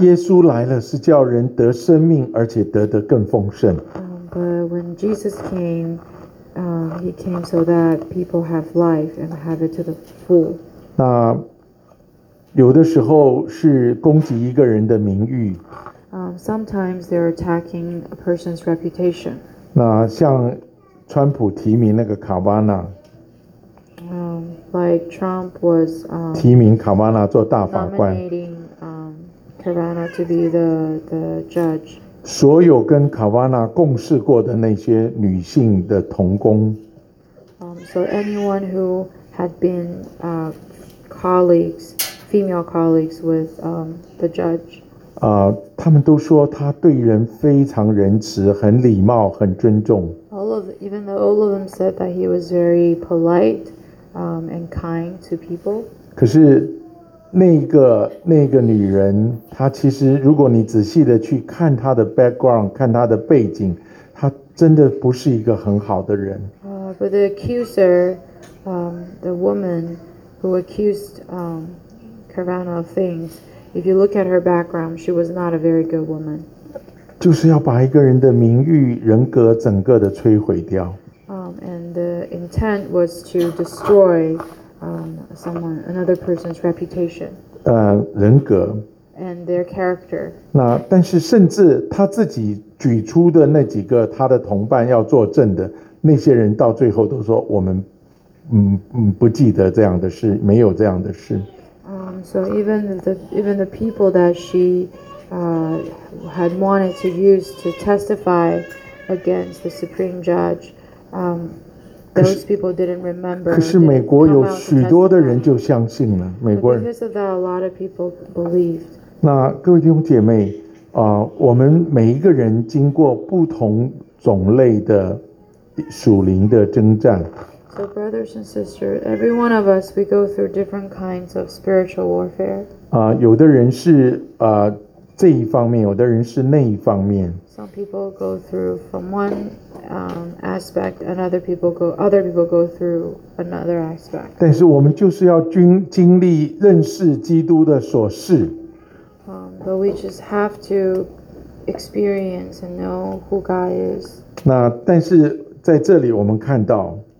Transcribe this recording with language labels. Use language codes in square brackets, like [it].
[zh] 耶稣来了是叫人得生命，而且得的更丰盛。 [en] But when Jesus came, he came so that people have life and have it to the full. [zh] 那有的时候是攻击一个人的名誉。 [en] Sometimes they're attacking a person's reputation. [zh] 那像川普提名那个卡巴纳。 [en] Like Trump was [zh] 提名卡巴纳做大法官 [en] Kavanaugh to be the judge. [zh] 所有跟卡巴纳共事过的那些女性的同工 [en] So anyone who had been colleagues, female colleagues with the judge. [zh] 他们都说他对人非常仁慈，很礼貌，很尊重 [en] Even though all of them said that he was very polite. And kind to people. [zh] 可是那个女人，她其实如果你仔细的去看她的 background， 看她的背景，她真的不是一个很好的人。 [en] But the accuser, the woman who accused Kavanaugh of things, if you look at her background, she was not a very good woman. [zh] 就是要把一个人的名誉、人格整个的摧毁掉。 [en] And the intent was to destroy someone, another person's reputation. [zh] 人格 [en] And their character. [zh] 那但是甚至他自己举出的那几个他的同伴要作证的那些人，到最后都说我们不记得这样的事，没有这样的事。 [en] So even the people that she had wanted to use to testify against the supreme judge. Those people didn't remember. [zh] 可是美国有许多的人就相信了美国人。 [en] Because of that, a lot of people believed. [zh] 那各位弟兄姐妹，我们每一个人经过不同种类的属灵的征战。 [en] So brothers and sisters, every one of us, we go through different kinds of spiritual warfare. [zh] 有的人是这一方面，有的人是那一方面。 [en] Some people go through from one aspect, and other people go through another aspect. [zh] 但是我们就是要经历认识基督的所事。 [en] But we just have to experience and know who God is. [zh] 那但是在这里我们看到。